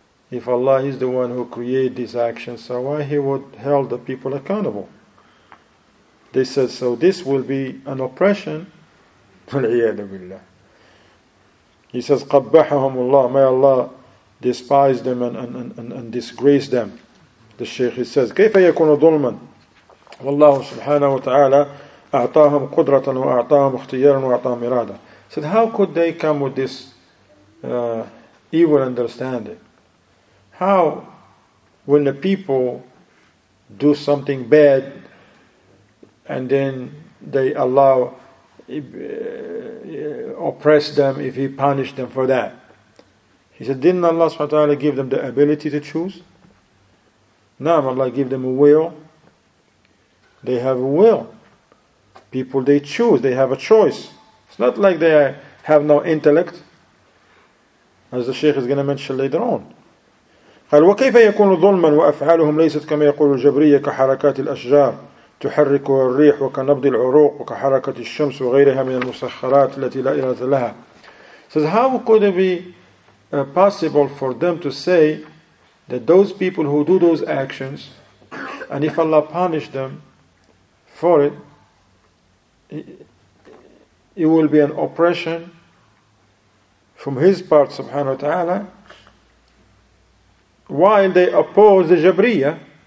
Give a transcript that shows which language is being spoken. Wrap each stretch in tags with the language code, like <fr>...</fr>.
<en>If Allah is the one who created this action, so why He would held the people accountable? They said, so this will be an oppression.</en> <ar>وَالْعِيَادَ بِاللَّهِ.</ar> <en>He says,</en> <ar>قَبَّحَهُمُ اللَّهِ.</ar> <en>May Allah despise them and disgrace them. The Shaykh says,</en> <ar>كيف يكون ظلما؟ والله سبحانه وتعالى أعطاهم قدرة وأعطاهم اختيارا وأعطاهم إرادة.</ar> <en>Said, how could they come with this evil understanding? How, when the people do something bad, and then they allow, oppress them if He punished them for that? He said, didn't Allah subhanahu wa ta'ala give them the ability to choose? Naam, Allah gave them a will. They have a will. People, they choose, they have a choice. It's not like they have no intellect, as the Shaykh is going to mention later on.</en> <ar>قال وكيف يكون ظلما وأفعالهم ليست كما يقول الجبرية كحركات الأشجار تحرك الريح وكنبض العروق وكحركة الشمس وغيرها من المسخرات التي لا إرادة لها.</ar> <en>Says, how could it be possible for them to say that those people who do those actions, and if Allah punished them for it, it will be an oppression from His part, subhanahu wa ta'ala, while they oppose the Jabriya?</en>